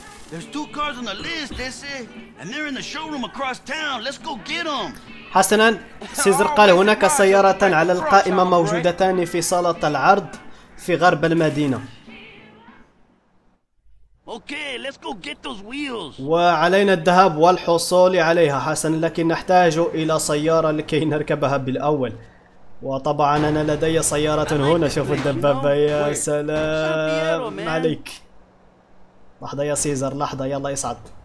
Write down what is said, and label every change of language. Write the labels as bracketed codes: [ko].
[en] There's two cars on the list, they say, and they're in the showroom across town. Let's go get them. [ar] حسنا. سيزر قال هناك سيارتان على القائمة موجودتان في صالة العرض في غرب المدينة. [en] Okay, let's go get those wheels. [ar] وعلينا الذهاب والحصول عليها. حسنا، لكن نحتاج إلى سيارة لكي نركبها بالأول. وطبعا أنا لدي سيارة هنا. شوف الدبابة. يا سلام عليك. لحظة يا سيزر، لحظة. يلا اصعد.